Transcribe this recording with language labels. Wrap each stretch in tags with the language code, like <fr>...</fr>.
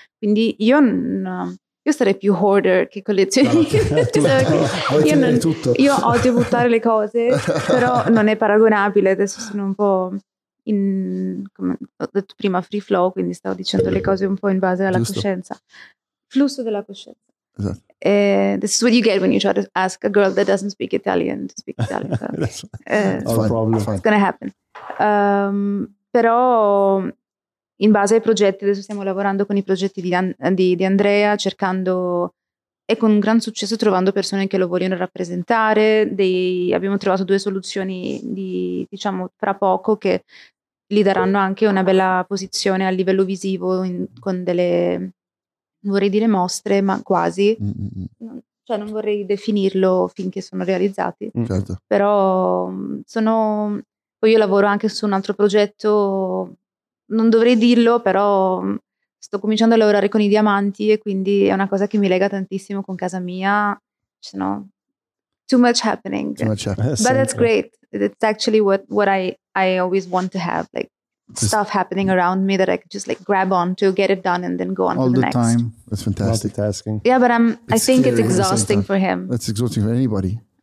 <it>Quindi io sarei più hoarder che collezionista. Io odio buttare le cose, però non è paragonabile. Adesso sono un po' in, come ho detto prima,</it> <en>free flow,</en> <it>quindi stavo dicendo le cose un po' in base alla coscienza. Flusso della coscienza. Esatto.</it> <en>This is what you get when you try to ask a girl that doesn't speak Italian to speak Italian. It's gonna happen.</en> <it>Però in base ai progetti, adesso stiamo lavorando con i progetti di Andrea, cercando e con un gran successo trovando persone che lo vogliono rappresentare, abbiamo trovato due soluzioni diciamo fra poco, che gli daranno anche una bella posizione a livello visivo con delle, vorrei dire mostre, ma quasi, cioè non vorrei definirlo finché sono realizzati, certo. Però sono... Poi io lavoro anche su un altro progetto, non dovrei dirlo, però sto cominciando a lavorare con i diamanti e quindi è una cosa che mi lega tantissimo con casa mia. Ci sono</it> <en>too much happening. Too much happening. But that's great. It's actually what I always want to have, like stuff happening around me that I could just like grab on to get it done and then go on all to the next. All the time. That's fantastic. Multitasking. Yeah, but I think it's exhausting for him. That's exhausting for anybody.</en>